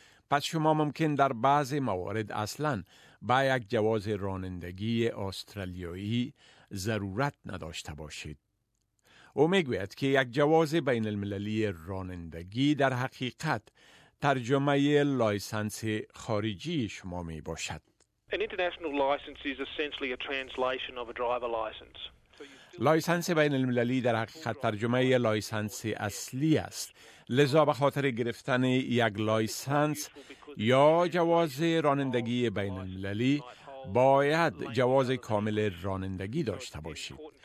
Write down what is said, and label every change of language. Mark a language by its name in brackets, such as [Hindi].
[Persian] پس شما ممکن در بعضی موارد اصلاً با یک جواز رانندگی استرالیایی ضرورت نداشته باشید. او میگوید که یک جواز بین المللی رانندگی در حقیقت ترجمه لایسنس خارجی شما می باشد. [English] An international license is essentially a translation of a driver license. [Persian] لایسنس بین المللی در حقیقت ترجمه لایسنس اصلی است. لذا به خاطر گرفتن یک لایسنس یا جواز رانندگی بین المللی باید جواز کامل رانندگی داشته باشید.